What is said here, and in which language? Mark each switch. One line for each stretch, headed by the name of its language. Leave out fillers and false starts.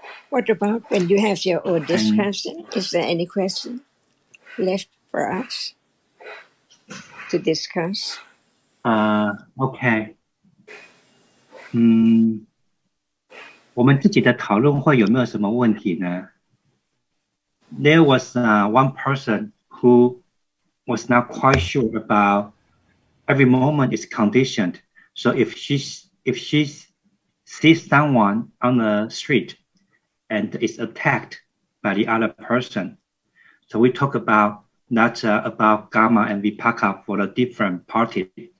English: What about when you have your own discussion? Is there any question left for us to discuss? Okay.
Chinese: 我们自己的讨论会有没有什么问题呢?
English: There was one person who was not quite sure about every moment is conditioned. So if she sees someone on the street. And is attacked by the other person. So we talk about that about karma and vipaka for the different party.